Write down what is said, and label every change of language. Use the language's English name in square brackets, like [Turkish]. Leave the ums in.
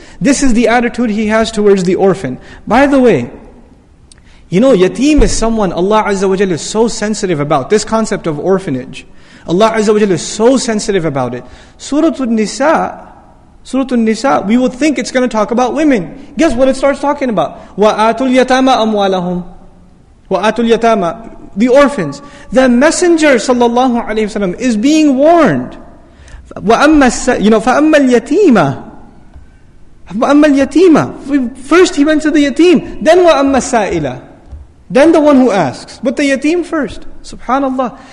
[English] This is the attitude he has towards the orphan. By the way, you know, yatim is someone Allah Azza wa Jalla is so sensitive about this concept of orphanage. Allah Azza wa Jalla is so sensitive about it. Surah An-Nisa Surah An-Nisa, we would think it's going to talk about women. Guess what it starts talking about? [Arabic] وَآتُوا الْيَتَامَ أَمْوَالَهُمْ وَآتُوا الْيَتَامَ [English] The orphans. The Messenger sallallahu alaihi wasallam is being warned. وَأَمَّا You know, [Arabic] فَأَمَّا الْيَتِيمَ فَأَمَّا الْيَتِيمَ [English] First he went to the yatim. Then [Arabic] وَأَمَّا السَّائِلَ [English] Then the one who asks. But the yatim first. Subhanallah.